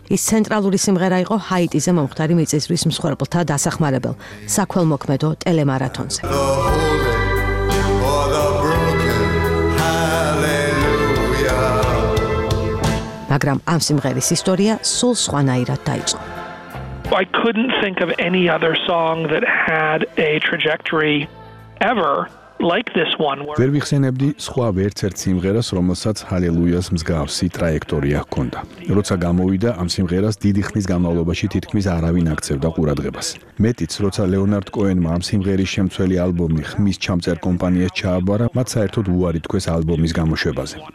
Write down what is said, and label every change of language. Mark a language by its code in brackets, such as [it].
[ka] ის ცენტრალური სიმღერა იყო ჰაიტიზე მომხდარი მიწისძვრის მსხვერპლთა დასახმარებელ საქველმოქმედო ტელემარათონზე. მაგრამ ამ სიმღერის ისტორია სულ სხვანაირად დაიწყო. [en] I couldn't think of any other song that had a trajectory ever like this one. [ka] ვერ ვიხსენებდი სხვა ვერც ერთ სიმღერას, რომელსაც ჰალელუიას მსგავსი ტრაექტორია ჰქონდა. როცა გამოვიდა ამ სიმღერას, დიდი ხნის განმავლობაში თითქმის არავინ აქცევდა ყურადღებას. მეტიც, როცა ლეონარდ კოენმა ამ სიმღერის შემცველი ალბომი ხმის ჩამწერ კომპანიას ჩააბარა, მათ საერთოდ უარი თქვეს ალბომის გამოშვებაზე.